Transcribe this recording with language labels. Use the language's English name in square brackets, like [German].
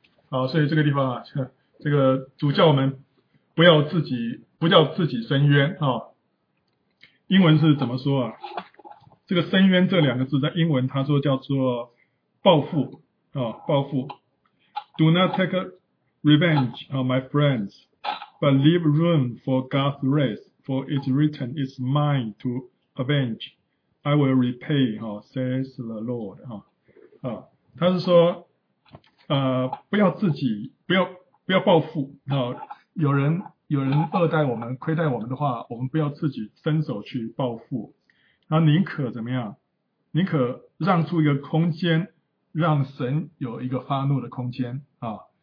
[Chinese] 好，所以这个地方啊，这个主叫我们不要自己伸冤啊。英文是怎么说啊？这个伸冤这两个字在英文他说叫做报复啊，报复。 [English] Do not take revenge on my friends, but leave room for God's wrath, for it's written, it's mine to avenge. I will repay, says the Lord. [Chinese] 他是说不要自己不要报复啊，有人恶待我们亏待我们的话，我们不要自己伸手去报复。然后宁可怎么样？宁可让出一个空间，让神有一个发怒的空间啊！